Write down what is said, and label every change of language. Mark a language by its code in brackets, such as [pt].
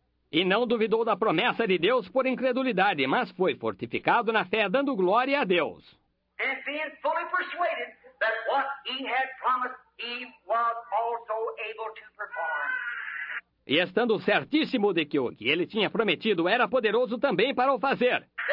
[pt] E não duvidou da promessa de Deus por incredulidade, mas foi fortificado na fé, dando glória a Deus. E sendo [en] fully persuaded that what he had promised, he was also able to perform. [pt] E estando certíssimo de que o que ele tinha prometido era poderoso também para o fazer.